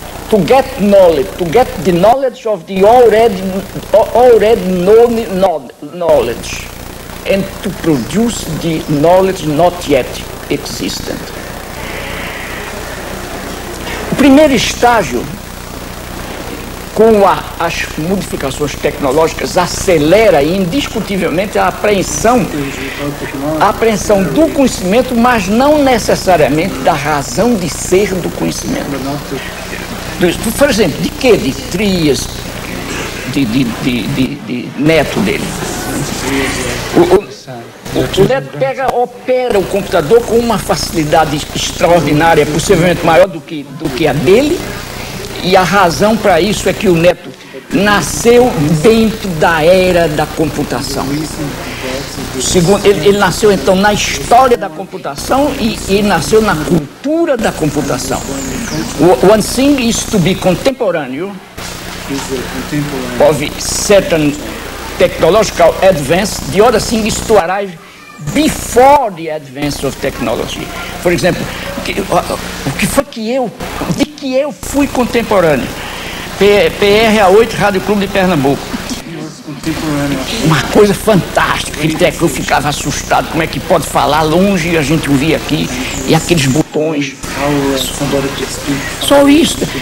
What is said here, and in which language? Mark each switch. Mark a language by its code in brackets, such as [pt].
[en] To get the knowledge of the already known knowledge and to produce the knowledge not yet existent. [pt] O primeiro estágio, com as modificações tecnológicas, acelera indiscutivelmente a apreensão do conhecimento, mas não necessariamente da razão de ser do conhecimento. Por exemplo, de quê? De Trias, de neto dele. O neto opera o computador com uma facilidade extraordinária, possivelmente maior do que a dele, e a razão para isso é que o neto nasceu dentro da era da computação. Ele nasceu então na história da computação e nasceu na cultura da computação. [en] One thing is to be contemporary of certain technological advance. The other thing is to arrive before the advance of technology. For example, [pt] o que foi que eu, de que eu fui contemporâneo? PRA8, Rádio Clube de Pernambuco. Uma coisa fantástica, até que eu ficava assustado, como é que pode falar longe e a gente ouvir aqui, e aqueles botões. Só isso.